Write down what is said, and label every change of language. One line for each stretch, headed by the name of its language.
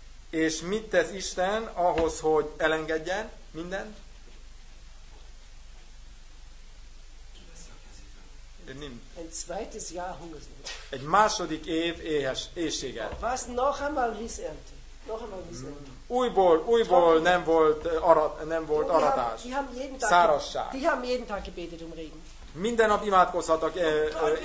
Hungarian: És mit tesz Isten ahhoz, hogy elengedjen mindent?
German: Ein zweites Jahr Hungersnot.
Hungarian: Egy második év éhséget.
German: Was noch einmal Wiesernte. Noch einmal Wiesernte.
Hungarian: Újból nem volt aratás. Szárazság.
German: Die haben jeden Tag gebetet um Regen.
Hungarian: Minden nap imádkozhattak esőért.